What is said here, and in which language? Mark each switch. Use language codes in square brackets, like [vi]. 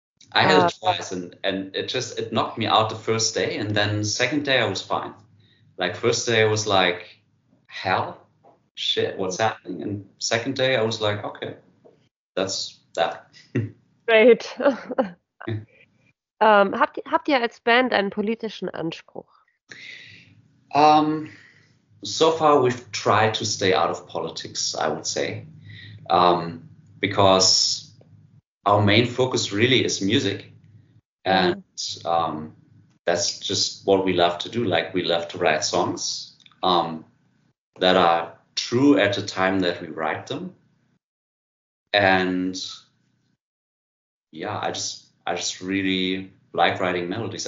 [en] I had it twice and it knocked me out the first day and then second day I was fine. Like first day I was like, hell, shit, what's happening? And second day I was like, okay, that's that. Great. [de] Habt ihr als Band einen politischen Anspruch? [en] So far we've tried to stay out of politics, I would say, because our main focus really is music, and that's just what we love to do. Like, we love to write songs that are true at the time that we write them, and I just really like writing melodies.